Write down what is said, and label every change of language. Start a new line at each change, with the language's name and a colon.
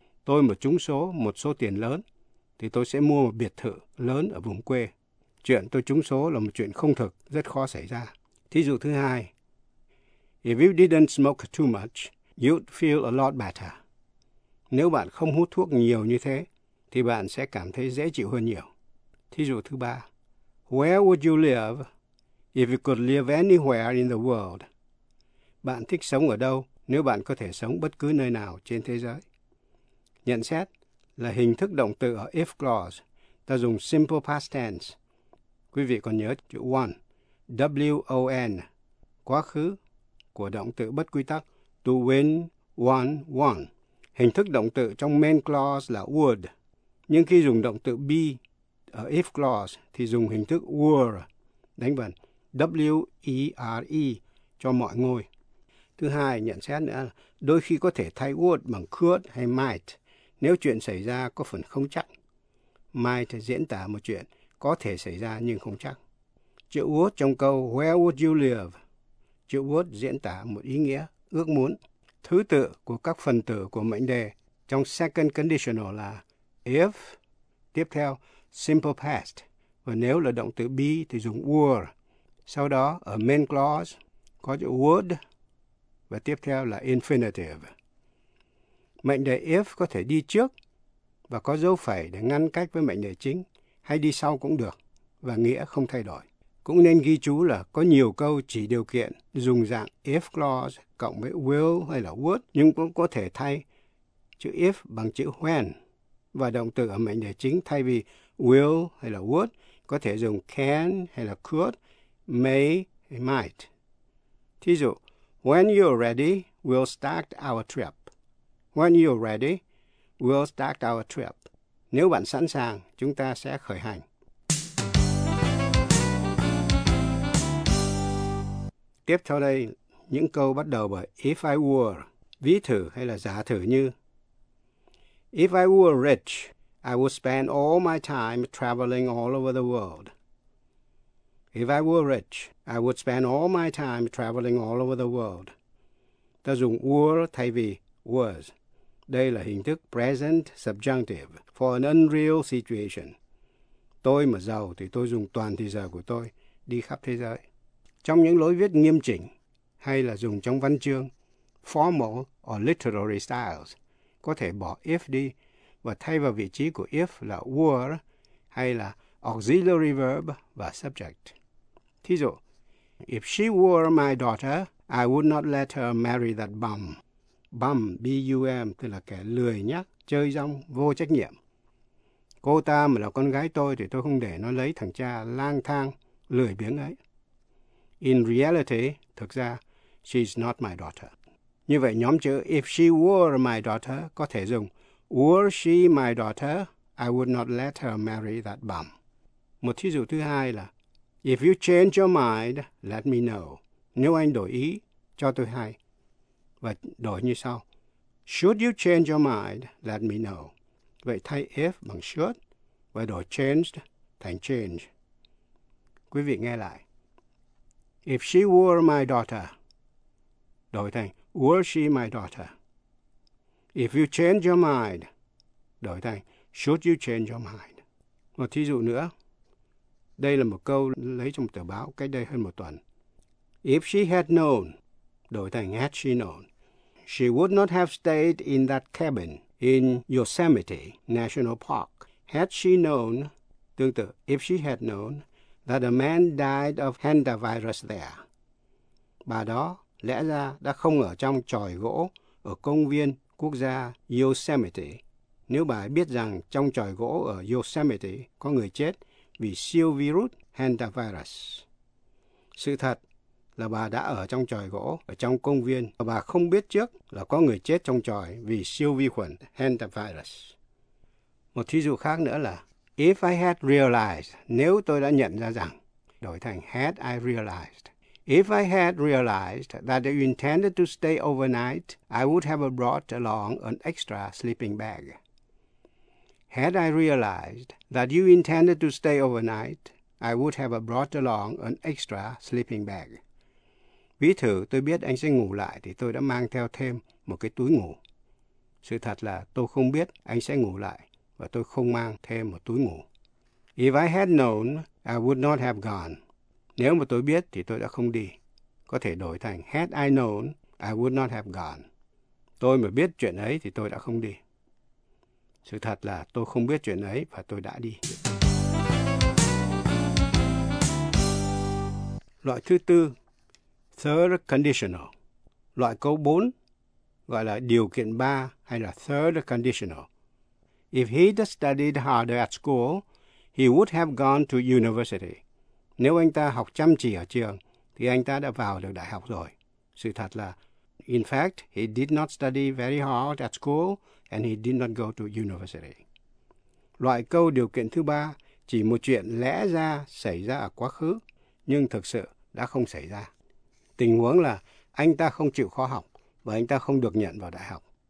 Vietnamese: Tôi mà trúng số một số tiền lớn, thì tôi sẽ mua một biệt thự lớn ở vùng quê. Chuyện tôi trúng số là một chuyện không thực, rất khó xảy ra. Thí dụ thứ hai,
English: if you didn't smoke too much, you'd feel a lot better.
Vietnamese: Nếu bạn không hút thuốc nhiều như thế, thì bạn sẽ cảm thấy dễ chịu hơn nhiều. Thí dụ thứ ba,
English: where would you live if you could live anywhere in the world?
Vietnamese: Bạn thích sống ở đâu nếu bạn có thể sống bất cứ nơi nào trên thế giới? Nhận xét là hình thức động từ ở if clause, ta dùng simple past tense. Quý vị còn nhớ chữ won, W-O-N, quá khứ của động từ bất quy tắc to win, won, won. Hình thức động từ trong main clause là would, nhưng khi dùng động từ be ở if clause thì dùng hình thức were, đánh vần W-E-R-E cho mọi ngôi. Thứ hai, nhận xét nữa là đôi khi có thể thay would bằng could hay might nếu chuyện xảy ra có phần không chắc. Might diễn tả một chuyện có thể xảy ra nhưng không chắc. Chữ would trong câu
English: where would you live?
Vietnamese: Chữ would diễn tả một ý nghĩa ước muốn. Thứ tự của các phần từ của mệnh đề trong second conditional là if, tiếp theo simple past, và nếu là động từ be thì dùng were. Sau đó ở main clause có chữ would và tiếp theo là infinitive. Mệnh đề if có thể đi trước và có dấu phẩy để ngăn cách với mệnh đề chính, hay đi sau cũng được và nghĩa không thay đổi. Cũng nên ghi chú là có nhiều câu chỉ điều kiện dùng dạng if clause cộng với will hay là would, nhưng cũng có thể thay chữ if bằng chữ when, và động từ ở mệnh đề chính thay vì will hay là would có thể dùng can hay là could, may hay might. Thí dụ,
English: when you're ready, we'll start our trip. When you're ready, we'll start our trip.
Vietnamese: Nếu bạn sẵn sàng, chúng ta sẽ khởi hành. Tiếp theo đây, những câu bắt đầu bởi
English: if I were,
Vietnamese: ví thử hay là giả thử như
English: if I were rich, I would spend all my time traveling all over the world. If I were rich, I would spend all my time traveling all over the world.
Vietnamese: Ta dùng were thay vì was. Đây là hình thức
English: present subjunctive for an unreal situation.
Vietnamese: Tôi mà giàu thì tôi dùng toàn thời giờ của tôi đi khắp thế giới. Trong những lối viết nghiêm chỉnh hay là dùng trong văn chương,
English: formal or literary styles,
Vietnamese: có thể bỏ if đi và thay vào vị trí của if là were hay là auxiliary verb và subject.
English: Thí dụ, if she were my daughter, I would not let her marry that bum.
Vietnamese: Bum, B-U-M, tức là kẻ lười nhác, chơi rong, vô trách nhiệm. Cô ta mà là con gái tôi thì tôi không để nó lấy thằng cha lang thang, lười biếng ấy.
English: In reality,
Vietnamese: thực ra,
English: she's not my daughter.
Vietnamese: Như vậy, nhóm chữ
English: if she were my daughter
Vietnamese: có thể dùng
English: were she my daughter, I would not let her marry that bum.
Vietnamese: Một thí dụ thứ hai là
English: if you change your mind, let me know.
Vietnamese: Nếu anh đổi ý, cho tôi hay. Và đổi như sau.
English: Should you change your mind, let me know.
Vietnamese: Vậy thay if bằng should và đổi changed thành change. Quý vị nghe lại.
English: If she were my daughter,
Vietnamese: đổi thành
English: were she my daughter. If you change your mind,
Vietnamese: đổi thành
English: should you change your mind.
Vietnamese: Một thí dụ nữa. Đây là một câu lấy trong tờ báo cách đây hơn một tuần.
English: If she had known,
Vietnamese: đổi thành
English: had she known, she would not have stayed in that cabin in Yosemite National Park. Had she known, tương tự, if she had known, that a man died of Honda virus there.
Vietnamese: Bà đó lẽ ra đã không ở trong chòi gỗ ở công viên quốc gia Yosemite nếu bà biết rằng trong chòi gỗ ở Yosemite có người chết vì siêu virus Honda virus. Sự thật là bà đã ở trong chòi gỗ ở trong công viên và bà không biết trước là có người chết trong chòi vì siêu vi khuẩn Honda virus. Một thí dụ khác nữa là
English: if I had realized,
Vietnamese: nếu tôi đã nhận ra rằng, đổi thành
English: had I realized. If I had realized that you intended to stay overnight, I would have brought along an extra sleeping bag. Had I realized that you intended to stay overnight, I would have brought along an extra sleeping bag.
Vietnamese: Ví thử tôi biết anh sẽ ngủ lại thì tôi đã mang theo thêm một cái túi ngủ. Sự thật là tôi không biết anh sẽ ngủ lại và tôi không mang thêm một túi ngủ.
English: If I had known, I would not have gone.
Vietnamese: Nếu mà tôi biết thì tôi đã không đi. Có thể đổi thành
English: had I known, I would not have gone.
Vietnamese: Tôi mà biết chuyện ấy thì tôi đã không đi. Sự thật là tôi không biết chuyện ấy và tôi đã đi. Loại thứ tư, third conditional. Loại câu 4, gọi là điều kiện 3 hay là third conditional.
English: If he'd studied harder at school, he would have gone to university.
Vietnamese: Nếu anh ta học chăm chỉ ở trường, thì anh ta đã vào được đại học rồi. Sự thật là,
English: in fact, he did not study very hard at school, and he did not go to university.
Vietnamese: Loại câu điều kiện thứ ba, chỉ một chuyện lẽ ra xảy ra ở quá khứ, nhưng thực sự đã không xảy ra. Tình huống là, anh ta không chịu khó học, và anh ta không được nhận vào đại học.